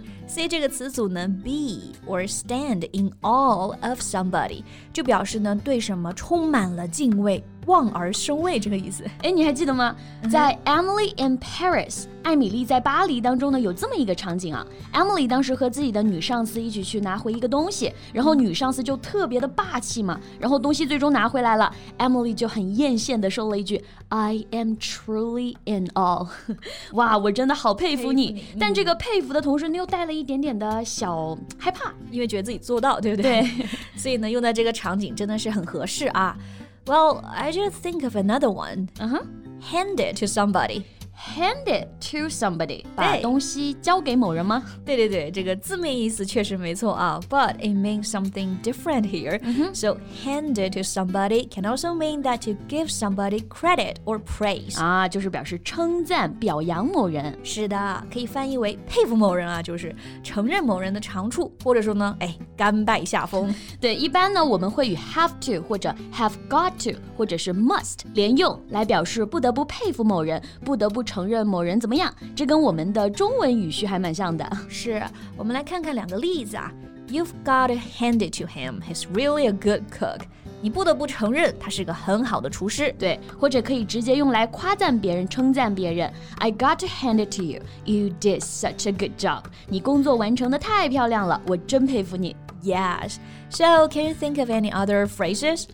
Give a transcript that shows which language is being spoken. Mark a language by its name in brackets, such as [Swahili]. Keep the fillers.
[Chinese] C 这个词组呢， [English] be or stand in a l l of somebody [Chinese] 就表示呢，对什么充满了敬畏。望而生畏这个意思，哎，你还记得吗？Uh huh. 在《Emily in Paris》艾米丽在巴黎当中呢，有这么一个场景啊，Emily 当时和自己的女上司一起去拿回一个东西，然后女上司就特别的霸气嘛，然后东西最终拿回来了，e m i l y 就很艳羡的说了一句： [English] “I am truly in awe。 [Chinese] ”哇，我真的好佩服你！服你但这个佩服的同时，呢，又带了一点点的小害怕，因为觉得自己做到，对不对？对 所以呢，用在这个场景真的是很合适啊。 [English] Well, I just think of another one. Uh huh. Hand it to somebody. Hand it to somebody， [Chinese] 把东西交给某人吗？对对对，这个字面意思确实没错啊。 [English] But it means something different here，So h a n d it to somebody can also mean that to give somebody credit or praise [Chinese] 啊，就是表示称赞、表扬某人。是的，可以翻译为佩服某人啊，就是承认某人的长处，或者说呢，哎，甘拜下风。对，一般呢，我们会与 have to 或者 have got to 或者是 must 联用来表示不得不佩服某人，不得不。承认某人怎么样，这跟我们的中文语序还蛮像的。是，我们来看看两个例子啊。 [English] You've got to hand it to him, he's really a good cook。 [Chinese] 你不得不承认他是个很好的厨师，对。或者可以直接用来夸赞别人，称赞别人。 [English] I got to hand it to you, you did such a good job。 [Chinese] 你工作完成的太漂亮了，我真佩服你。 [English] yes. So, can you think of any other phrases?